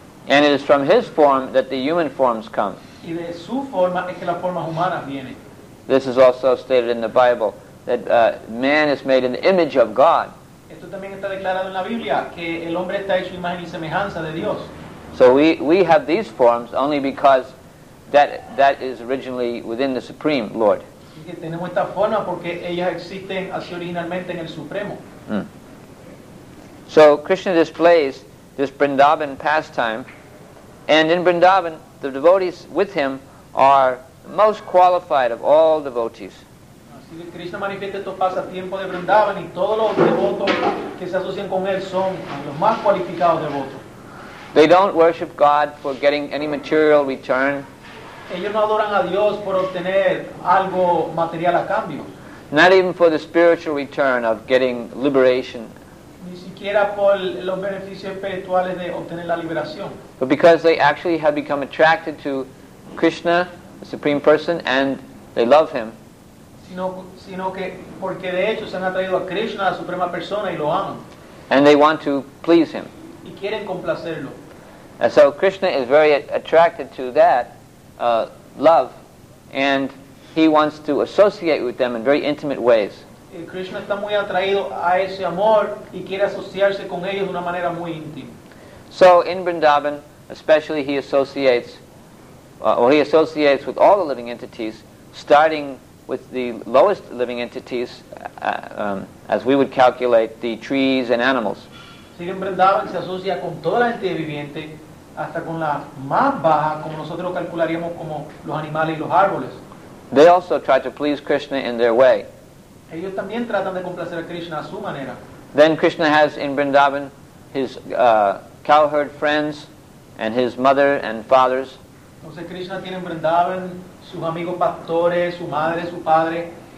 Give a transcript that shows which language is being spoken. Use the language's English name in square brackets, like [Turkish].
[English] And it is from his form that the human forms come. [Spanish] Y de su forma es que la forma humana viene. [English] This is also stated in the Bible, that man is made in the image of God. [Spanish] Esto también está declarado en la Biblia, que el hombre está hecho imagen y semejanza de Dios. [English] So we have these forms only because that is originally within the Supreme Lord. [Spanish] Que tenemos esta forma porque ellas existen así originalmente en el Supremo. [English] So Krishna displays this Vrindavan pastime, and in Vrindavan the devotees with him are most qualified of all devotees. [Spanish] Así que Krishna manifiesta estos pasatiempos de Vrindavan y todos los devotos que se asocian con él son los más cualificados devotos. [English] They don't worship God for getting any material return. [Spanish] Ellos no adoran a Dios por obtener algo material a cambio. [English] Not even for the spiritual return of getting liberation. [Spanish] Ni siquiera por los beneficios espirituales de obtener la liberación. [English] But because they actually have become attracted to Krishna, the Supreme Person, and they love him. [Spanish] Sino que porque de hecho se han atraído a Krishna, la Suprema Persona, y lo aman. [English] And they want to please him. [Spanish] Y quieren complacerlo. [English] And so Krishna is very attracted to that love, and he wants to associate with them in very intimate ways. [Spanish] Krishna está muy atraído a ese amor y quiere asociarse con ellos de una manera muy íntima. [English] So in Vrindavan, especially he associates with all the living entities, starting with the lowest living entities, as we would calculate the trees and animals. [Spanish] Sigue en Vrindavan se asocia con toda la entidad viviente, hasta con la más baja, como nosotros calcularíamos como los animales y los árboles. [English] They also try to please Krishna in their way. [Spanish] Ellos también tratan de complacer a Krishna a su manera. [English] Then Krishna has in Vrindavan his cowherd friends and his mother and fathers. [Spanish] Entonces Krishna tiene en Vrindavan sus amigos pastores, su madre, su padre.